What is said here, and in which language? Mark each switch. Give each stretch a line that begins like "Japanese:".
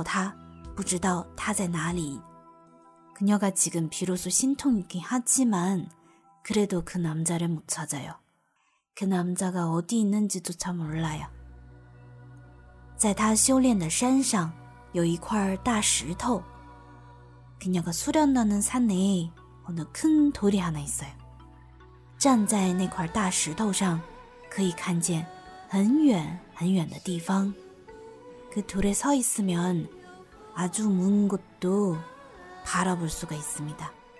Chinese: 虽然她现在有了神通,可是还是找不到她,不知道她在哪里。
Korean: 그녀가 지금 비로소 신통이긴 하지만 그래도 그 남자를 못 찾아요. 그 남자가 어디 있는지조차 몰라요.
Chinese: 在他修炼的山上有一块大石头。
Korean: 그녀가 수련하는 산에 어느 큰 돌이 하나 있어요.
Chinese: 站在那块大石头上可以看见很远很远的地方。
Korean: 그 돌에 서 있으면 아주 먼 곳도 바라볼 수가 있습니다.